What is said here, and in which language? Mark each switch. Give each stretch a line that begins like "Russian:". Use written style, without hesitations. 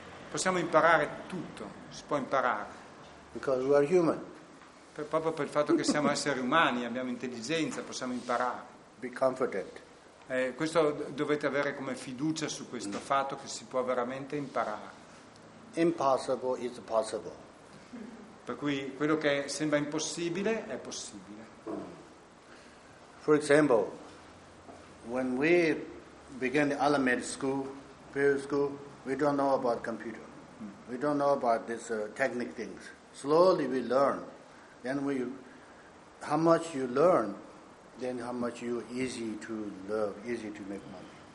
Italian: Possiamo imparare tutto, si può imparare.
English: Because we are human.
Italian: Proprio per il fatto che siamo esseri umani, abbiamo intelligenza, possiamo imparare.
English: Be confident.
Italian: Questo dovete avere come fiducia su questo fatto che si può veramente imparare.
English: Impossible is possible.
Italian: Per cui quello che sembra impossibile è possibile.
English: For example, when we began the elementary school, primary school, we don't know about computer. We don't know about this technic things. Slowly we learn, then we, how much you learn, then how much you easy to love, easy to make money.